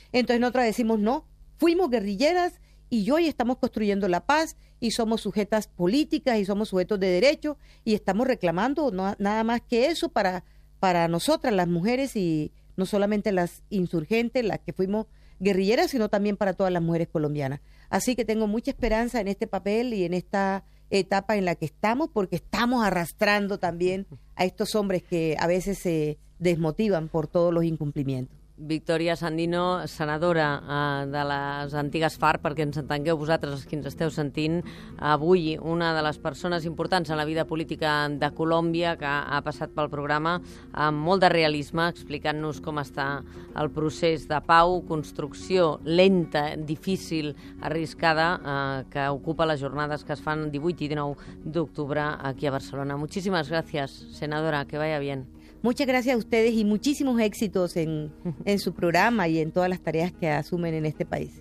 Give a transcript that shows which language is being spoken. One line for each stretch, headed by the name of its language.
Spanish: Entonces nosotros decimos, no, fuimos guerrilleras y hoy estamos construyendo la paz y somos sujetas políticas y somos sujetos de derecho y estamos reclamando nada más que eso para nosotras, las mujeres, y no solamente las insurgentes, las que fuimos guerrilleras, sino también para todas las mujeres colombianas. Así que tengo mucha esperanza en este papel y en esta etapa en la que estamos, porque estamos arrastrando también a estos hombres que a veces se desmotivan por todos los incumplimientos.
Catalan: Victòria Sandino, senadora de les antigues FARC, perquè ens entengueu vosaltres els que ens esteu sentint, avui una de les persones importants en la vida política de Colòmbia, que ha passat pel programa amb molt de realisme, explicant-nos com està el procés de pau, construcció lenta, difícil, arriscada, que ocupa les jornades que es fan 18 i 19 d'octubre aquí a Barcelona. Moltíssimes gràcies, senadora,
Spanish: que vaya bien. Muchas gracias a ustedes y muchísimos éxitos en su programa y en todas las tareas que asumen en este país.